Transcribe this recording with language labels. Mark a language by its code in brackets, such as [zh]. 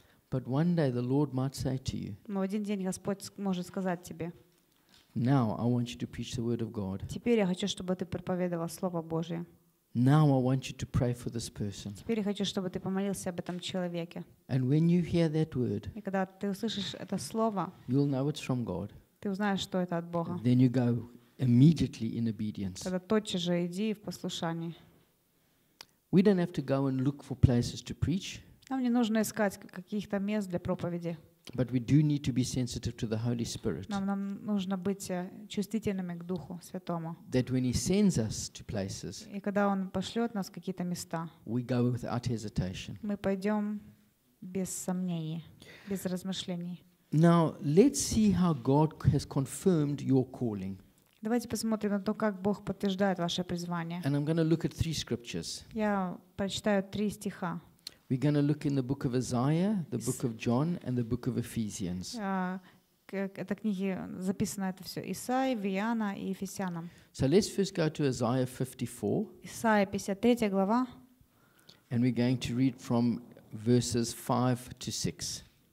[en] But one day the Lord might say to you. [ru] Но один день Господь может сказать тебе. [en] Now I want you to preach the word of God. [ru] Теперь я хочу, чтобы ты проповедовал слово Божие. [en] Now I want you to pray for this person. [ru] Теперь я хочу, чтобы ты помолился об этом человеке. [en] And when you hear that word, [ru] и когда ты услышишь это слово, [en] you'll know it's from God. [ru] Ты узнаешь, что это от Бога. [en] And then you go immediately in obedience. [ru] Тогда тотчас же иди в послушании. [en] We don't have to go and look for places to preach. [ru] Нам не нужно искать каких-то мест для проповеди. [en] But we do need to be sensitive to the Holy Spirit. [ru] Нам нужно быть чувствительными к Духу Святому. [en] That when He sends us to places, [ru] и когда Он пошлет нас в какие-то места, [en] we go without hesitation. [ru] Мы пойдем без сомнений, без размышлений. [en] Now let's see how God has confirmed your calling. [ru] Давайте посмотрим на то, как Бог подтверждает ваше призвание. [en] And I'm going to look at three scriptures. [ru] Я прочитаю три стиха. [en] We're going to look in the book of Isaiah, the book of John, and the book of Ephesians. [ru] Это книги записано это все Исаии, Виана и Ефесянам. [en] So let's first go to Isaiah 54. [ru] Исаия 53 глава. [en] And we're going to read from verses 5 to 6.